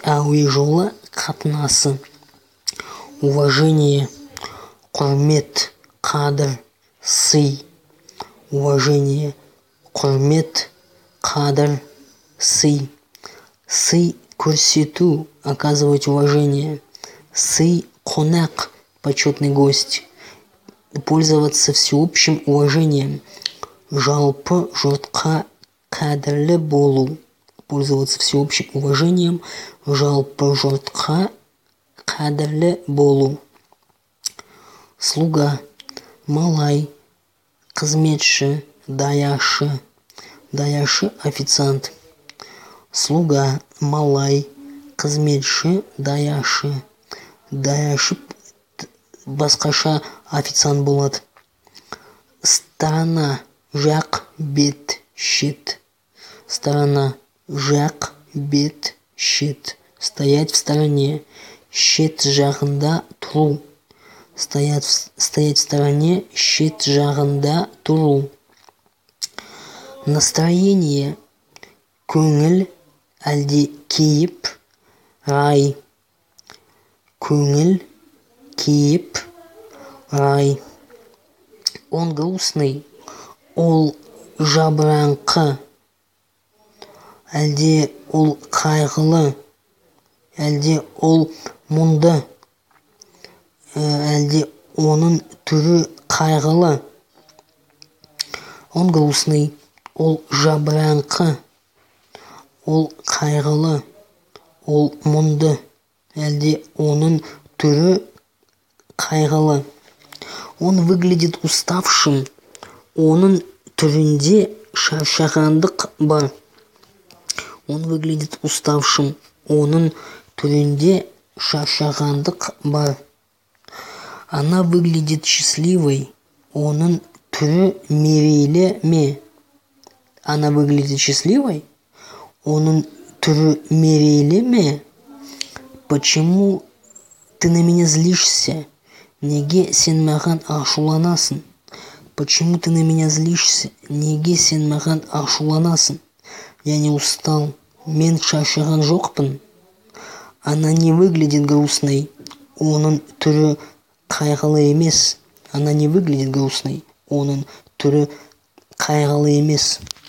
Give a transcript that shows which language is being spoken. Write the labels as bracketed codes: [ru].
[kk] Әуе жолы қатынасы. Уважение. Құрмет. Қадыр. Сый. Уважение. Құрмет. Қадыр. Сый. Сый көрсету. [ru] Оказывать уважение. [kk] Сый қонақ. [ru] Почетный гость. Пользоваться всеобщим уважением. [kk] Жалпы жұртқа қадірлі болу. [ru] Пользоваться всеобщим уважением. [kk] Жалпы жұртқа қадірлі болу. Слуга. Малай. Қызметші. Даяшы. Даяшы официант. Слуга. Малай. Қызметші. Даяшы. Даяшы басқаша официант болады. Сторона. Жақ. Бет. Шет. Сторона. Жақ. Бет. Шет. [ru] Стоять в стороне. [kk] шет жағында тұру. [ru] Стоять в стороне, [kk] шет жағында тұру. Настроение, көңіл, әлде кейіп, рай. Көңіл, кейіп, рай. [ru] Он грустный, [kk] ол жабыраңқы. Әлде ол қайғылы, әлде ол мұнды, әлде оның түрі қайғылы. [ru] Он грустный, [kk] ол жабыраңқы, ол қайғылы, ол мұнды, әлде оның түрі қайғылы. [ru] Он выглядит уставшим, [kk] оның түрінде шаршағандық бар. [ru] Он выглядит уставшим, [kk] оның түрінде шаршағандық бар. [ru] Она выглядит счастливой, [kk] оның түрі мерейлі ме? [ru] Она выглядит счастливой, [kk] оның түрі мерейлі ме? [ru] Почему ты на меня злишься? [kk] Неге сен маған ашуланасың? [ru] Почему ты на меня злишься? [kk] Неге сен маған ашуланасың? [ru] Я не устал. [kk] Мен шаршаған жоқпын. [ru] Она не выглядит грустной. [kk] Оның түрі қайғылы емес. [ru] Она не выглядит грустной. [kk] Оның түрі қайғылы емес.